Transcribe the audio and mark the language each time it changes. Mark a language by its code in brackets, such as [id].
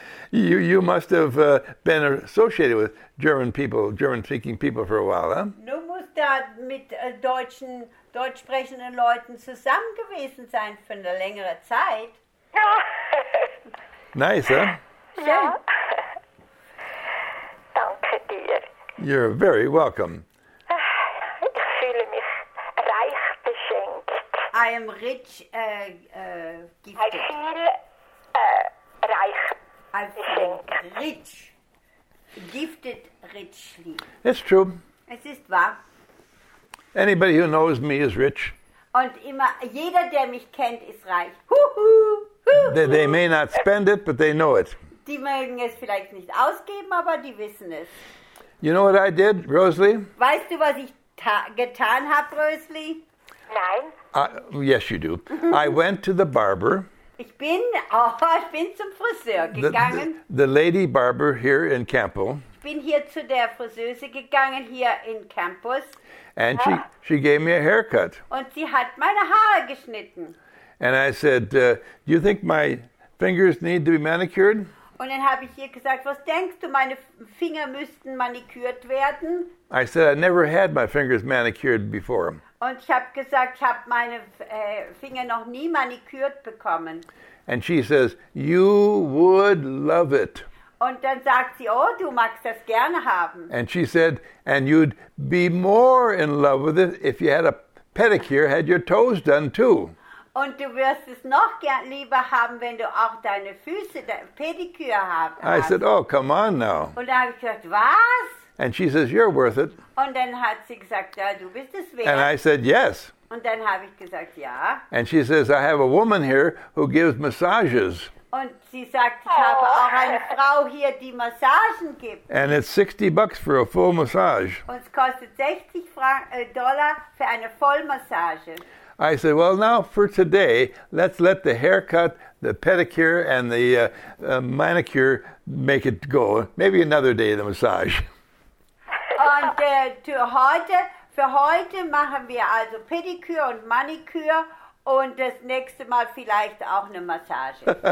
[en] You must have been associated with German speaking people for a while, huh? [de] Du musst da mit deutsch sprechenden Leuten zusammen gewesen sein für eine längere Zeit. Ja. Nice, huh? Ja. Danke dir. [en] You're very welcome. [de] Ich fühle mich reich beschenkt. [en] I am rich gifted. I feel reich. I feel rich. gifted richly. It's true. [de] Es ist wahr. [en] Anybody who knows me is rich. [de] Und immer jeder, der mich kennt, ist reich. [en] They may not spend it, but they know it. [de] Die mögen es vielleicht nicht ausgeben, aber die wissen es. [en] You know what I did, Rosalie? [de] Weißt du, was ich getan habe, Rosalie? Nein. [en] Yes, you do. I went to the barber. [de] Ich bin zum Friseur gegangen. [en] The lady barber here in Campo. [de] Ich bin hier zu der Friseuse gegangen, hier in Campus. [en] And she gave me a haircut. [de] Und sie hat meine Haare geschnitten. [en] And I said, do you think my fingers need to be manicured? [de] Und dann habe ich ihr gesagt, was denkst du, meine Finger müssten manikürt werden? [en] I said, I never had my fingers manicured before. [de] Und ich habe gesagt, ich habe meine Finger noch nie manikürt bekommen. [en] And she says, you would love it. [de] Und dann sagt sie, oh, du magst das gerne haben. [en] And she said, and you'd be more in love with it if you had a pedicure, had your toes done too. [de] Und du wirst es noch lieber haben, wenn du auch deine Füße, Pediküre hast. [en] I said, oh, come on now. [de] Und dann habe ich gesagt, was? [en] And she says, you're worth it. [de] Und dann hat sie gesagt, ja, du bist es wert. [en] And I said, yes. [de] Und dann habe ich gesagt, ja. [en] And she says, I have a woman here who gives massages. [de] Und sie sagt, ich habe auch eine Frau hier, die Massagen gibt. [en] And it's 60 bucks for a full massage. [de] Und es kostet 60 Dollar für eine Vollmassage. [en] I said, well, now for today, let's let the haircut, the pedicure, and the manicure make it go. Maybe another day of the massage. [de] Und für heute machen wir also Pediküre und Maniküre und das nächste Mal vielleicht auch eine Massage.